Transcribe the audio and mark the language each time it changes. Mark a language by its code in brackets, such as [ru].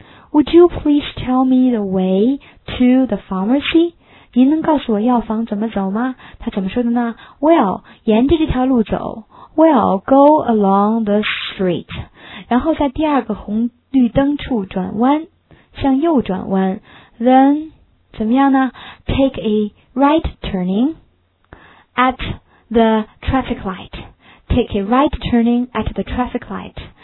[en] Would you please tell me the way to the pharmacy？ [zh] 您能告诉我药房怎么走吗？ [en] 他怎么说的呢？Well, [zh] 沿着这条路走。 [en] Well, go along the street. [zh] 然后在第二个红绿灯处转弯，向右转弯。 Then, 怎么样呢？ [en] Take a right turning at the traffic light. Take a right turning at the traffic light.